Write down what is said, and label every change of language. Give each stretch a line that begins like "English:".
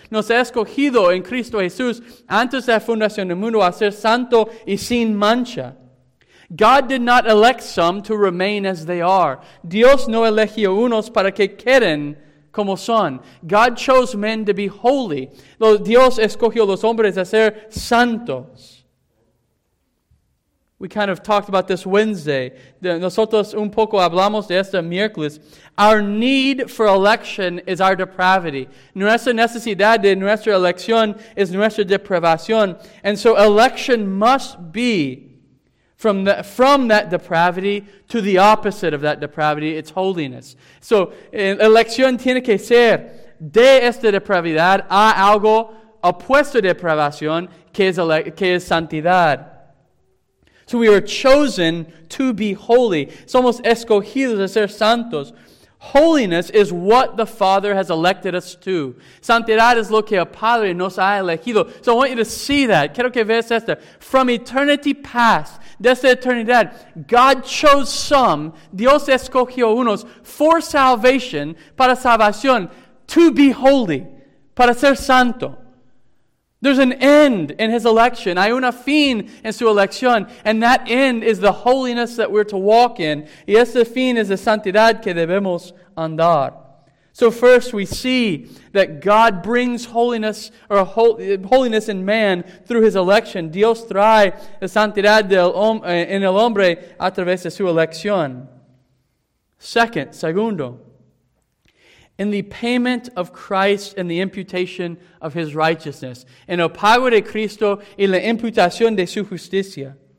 Spanish: Nos ha escogido en Cristo Jesús antes de la fundación del mundo a ser santo y sin mancha.
English: God did not elect some to remain as they are.
Spanish: Dios no eligió unos para que queden como son.
English: God chose men to be holy.
Spanish: Dios escogió los hombres a ser santos.
English: We kind of talked about this Wednesday.
Spanish: Nosotros un poco hablamos de este miércoles.
English: Our need for election is our depravity.
Spanish: Nuestra necesidad de nuestra elección es nuestra depravación.
English: And so election must be From that depravity to the opposite of that depravity, it's holiness.
Spanish: So, elección tiene que ser de esta depravidad a algo opuesto a depravación, que es santidad.
English: So we are chosen to be holy.
Spanish: Somos escogidos a ser santos.
English: Holiness is what the Father has elected us to.
Spanish: Santidad es lo que el Padre nos ha elegido.
English: So I want you to see that.
Spanish: Quiero que veas esto.
English: From eternity past,
Spanish: desde eternidad,
English: God chose some,
Spanish: Dios escogió unos,
English: for salvation,
Spanish: para salvación,
English: to be holy,
Spanish: para ser santo.
English: There's an end in His election.
Spanish: Hay una fin en su elección.
English: And that end is the holiness that we're to walk in.
Spanish: Y ese fin es la santidad que debemos andar.
English: So first we see that God brings holiness or holiness in man through His election.
Spanish: Dios trae la santidad en el hombre a través de su elección. Segundo.
English: In the payment of Christ and the imputation of His righteousness.
Spanish: En el pago de Cristo y la imputación de su justicia.